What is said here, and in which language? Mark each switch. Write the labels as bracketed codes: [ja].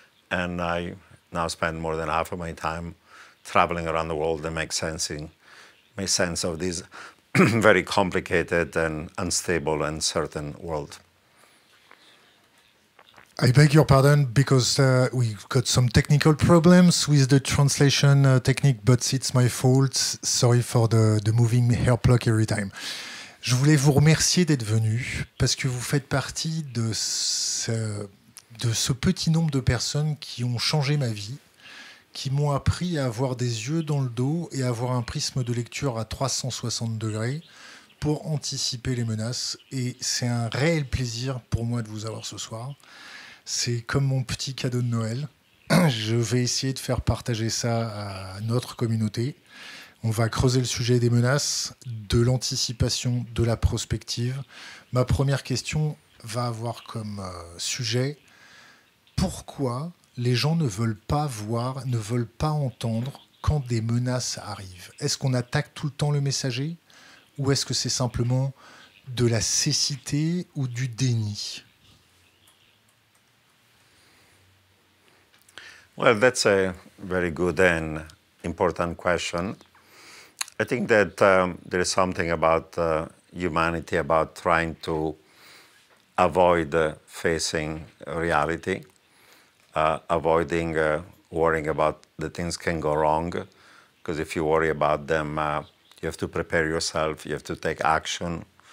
[en] And I now spend more than half of my time traveling around the world and make sense of this very complicated and unstable and uncertain world. I beg your pardon because we've got some technical problems with the translation technique, but it's my fault. Sorry for the moving hair plug every time. [fr] Je voulais vous remercier d'être venu parce que vous faites partie de ce petit nombre de personnes qui ont changé ma vie, qui m'ont appris à avoir des yeux dans le dos et à avoir un prisme de lecture à 360 degrés pour anticiper les menaces. Et c'est un réel plaisir pour moi de vous avoir ce soir. C'est comme mon petit cadeau de Noël. Je vais essayer de faire partager ça à notre communauté. On va creuser le sujet des menaces, de l'anticipation, de la prospective. Ma première question va avoir comme sujet, pourquoi les gens ne veulent pas voir, ne veulent pas entendre quand des menaces arrivent? Est-ce qu'on attaque tout le temps le messager ou est-ce que c'est simplement de la cécité ou du déni? [en] Well, that's a very good and important question. I think that there is something about humanity, about trying to avoid facing reality, avoiding worrying about the things can go wrong, because if you worry about them, you have to prepare yourself, you have to take action.